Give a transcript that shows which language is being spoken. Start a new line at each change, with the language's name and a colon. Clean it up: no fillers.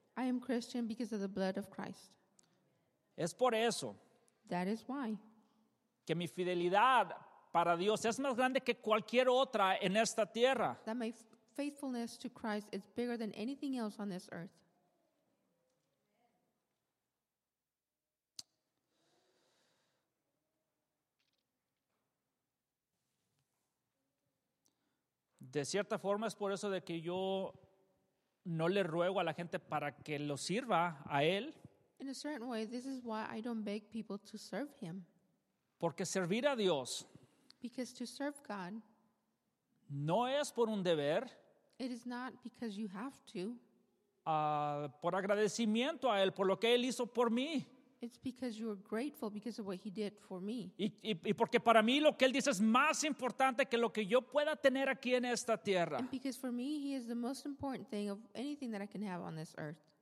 English: I am Christian because of the blood of Christ.
Spanish: Es por eso.
English: That is why.
Spanish: Que mi fidelidad para Dios es más grande que cualquier otra en esta tierra.
English: That my faithfulness to Christ is bigger than anything else on this earth.
Spanish: De cierta forma es por eso de que yo no le ruego a la gente para que lo sirva a él.
English: In a certain way, this is why I don't beg people to serve him.
Spanish: Porque servir a Dios,
English: because to serve God,
Spanish: no es por un deber.
English: It is not because you have to.
Spanish: Por agradecimiento a él por lo que él hizo por mí.
English: It's because you are grateful because of what he did for me.
Spanish: Y porque para mí lo que él dice es más importante que lo que yo pueda tener aquí en esta tierra.
English: And because for me he is the most important thing of anything that I can have on this earth.